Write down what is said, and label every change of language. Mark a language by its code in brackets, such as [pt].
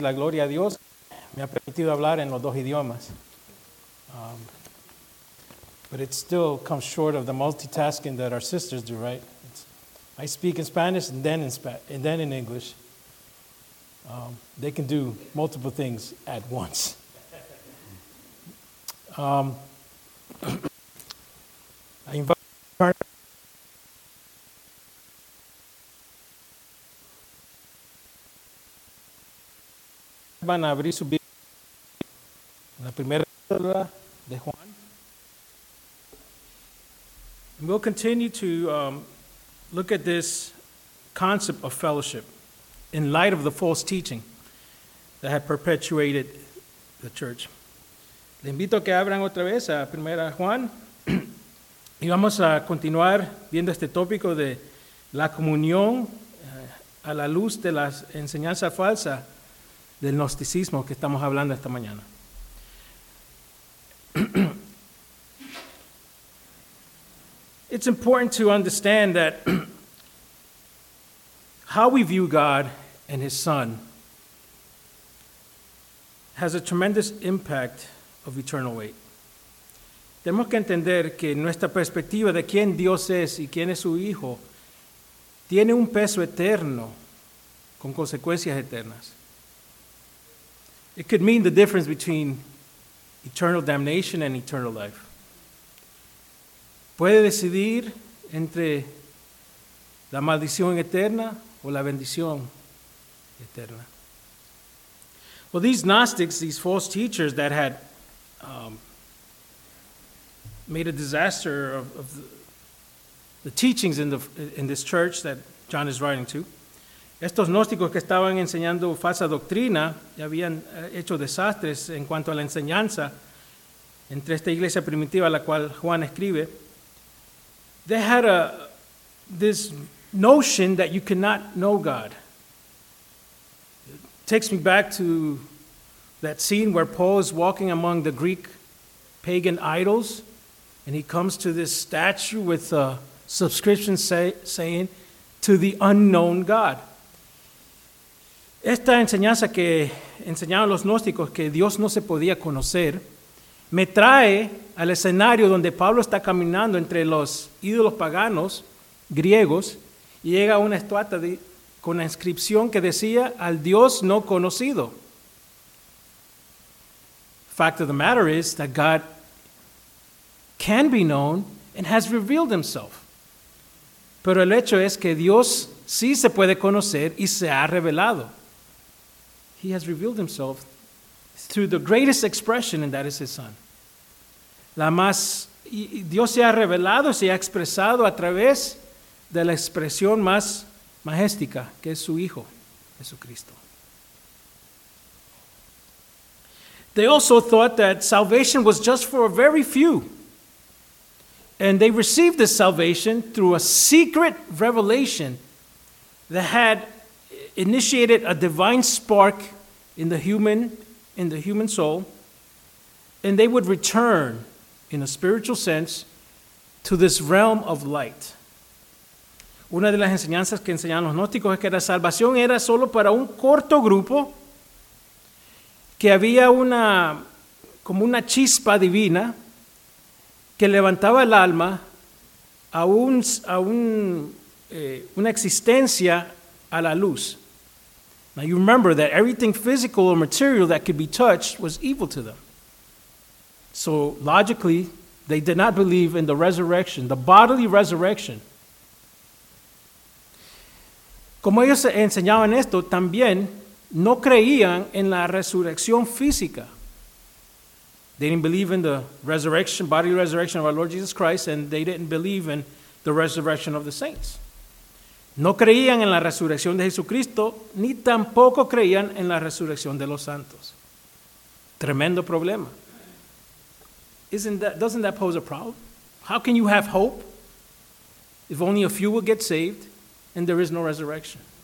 [es] La gloria a Dios me ha permitido hablar en los dos idiomas. [en] But it still comes short of the multitasking that our sisters do, right? I speak in Spanish and then in English. They can do multiple things at once. I invite [es] van a abrir su Biblia. La primera lectura de Juan. [en] And we'll continue to look at this concept of fellowship in light of the false teaching that had perpetuated the church. [es] Le invito a que abran otra vez a Primera Juan y vamos a continuar viendo este tópico de la comunión a la luz de la enseñanza falsa del gnosticismo que estamos hablando esta mañana. [en] It's important to understand that how we view God and His Son has a tremendous impact of eternal weight. [es] Tenemos que entender que nuestra perspectiva de quién Dios es y quién es su Hijo tiene un peso eterno con consecuencias eternas. [en] It could mean the difference between eternal damnation and eternal life. [es] Puede decidir entre la maldición eterna o la bendición eterna. [en] Well, these Gnostics, these false teachers that had made a disaster of the teachings in this church that John is writing to, [es] estos gnósticos que estaban enseñando falsa doctrina y habían hecho desastres en cuanto a la enseñanza entre esta iglesia primitiva a la cual Juan escribe, [en] they had this notion that you cannot know God. It takes me back to that scene where Paul is walking among the Greek pagan idols and he comes to this statue with a subscription saying, to the unknown God. [es] Esta enseñanza que enseñaron los gnósticos, que Dios no se podía conocer, me trae al escenario donde Pablo está caminando entre los ídolos paganos griegos y llega una estatua con la inscripción que decía al Dios no conocido. [en] Fact of the matter is that God can be known and has revealed himself. [es] Pero el hecho es que Dios sí se puede conocer y se ha revelado. [en] He has revealed himself through the greatest expression, and that is his Son. [es] La más, Dios se ha revelado, se ha expresado a través de la expresión más majestica, que es su Hijo, Jesucristo. [en] They also thought that salvation was just for a very few. And they received this salvation through a secret revelation that had initiated a divine spark in the human soul, and they would return in a spiritual sense to this realm of light. [es] Una de las enseñanzas que enseñan los gnósticos es que la salvación era solo para un corto grupo, que había una como una chispa divina que levantaba el alma a una existencia a la luz. [en] Now you remember that everything physical or material that could be touched was evil to them. So logically, they did not believe in the resurrection, the bodily resurrection. [es] Como ellos enseñaban esto, también no creían en la resurrección física. [en] They didn't believe in the resurrection, bodily resurrection of our Lord Jesus Christ, and they didn't believe in the resurrection of the saints. [es] No creían en la resurrección de Jesucristo, ni tampoco creían en la resurrección de los santos. Tremendo problema. [en] Doesn't that pose a problem? How can you have hope if only a few will get saved and there is no resurrection?